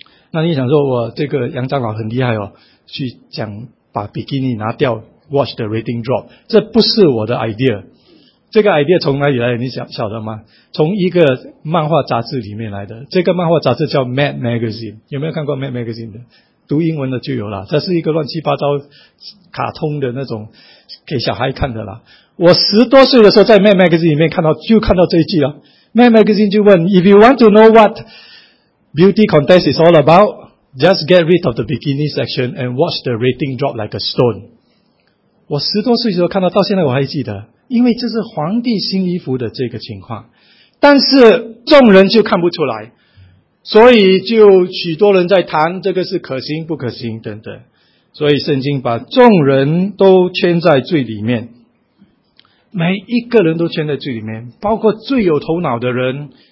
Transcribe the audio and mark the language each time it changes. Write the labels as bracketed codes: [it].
[zh] 那你想说我这个杨长老很厉害哦，去讲把比基尼拿掉 watch the rating drop，这不是我的 idea， 这个 idea 从哪里来的你晓得吗？从一个漫画杂志里面来的，这个漫画杂志叫 Mad Magazine， 有没有看过 Mad Magazine 的？读英文的就有了，这是一个乱七八糟卡通的那种给小孩看的啦。我10多岁的时候在 Mad Magazine 里面看到，就看到这一句了。 [en] Mad Magazine 就问 ,If you want to know what beauty contest is all about, just get rid of the bikini section and watch the rating drop like a stone. [zh] 我十多岁的时候看到，到现在我还记得，因为这是皇帝新衣服的这个情况。但是众人就看不出来。所以就许多人在谈这个是可行不可行等等，所以圣经把众人都圈在罪里面，每一个人都圈在罪里面，包括最有头脑的人。